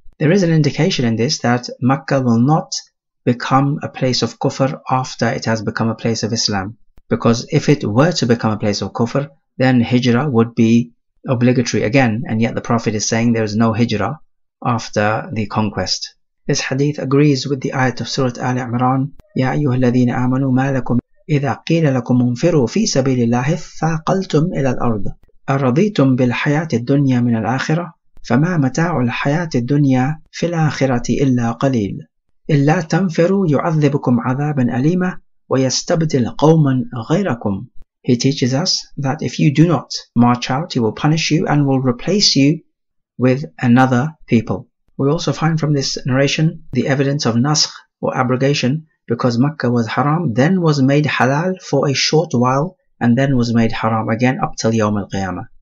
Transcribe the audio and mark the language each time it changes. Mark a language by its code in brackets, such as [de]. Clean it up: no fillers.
[en] There is an indication in this that Makkah will not become a place of kufr after it has become a place of Islam. Because if it were to become a place of kufr, then hijrah would be obligatory again, and yet the Prophet is saying there is no hijrah after the conquest. This hadith agrees with the ayat of Surah Ali Imran, [ar] يَا أَيُّهَا الَّذِينَ آمَنُوا مَا لَكُمْ إِذَا قِيلَ لَكُمْ انْفِرُوا فِي سَبِيلِ اللَّهِ فَقَلْتُمْ إِلَى الْأَرْضِ أَرَضِيتُمْ بِالْحَيَاةِ الدُّنْيَا مِنَ الْآخِرَةِ فَمَا مَتَاعُ الْحَيَاةِ الدُّنْيَا فِي الْآخِرَةِ إِلَّا قَلِيلٌ إِلَّا تَنْفِرُوا يُعَذِّبُكُمْ عَذَابًا أَلِيمًا وَيَسْتَبْدِلْ قَوْمًا غَيْرَكُمْ. [en] He teaches us that if you do not march out, he will punish you and will replace you with another people. We also find from this narration the evidence of naskh or abrogation, because Makkah was haram, then was made halal for a short while, and then was made haram again up till Yawm al-Qiyamah.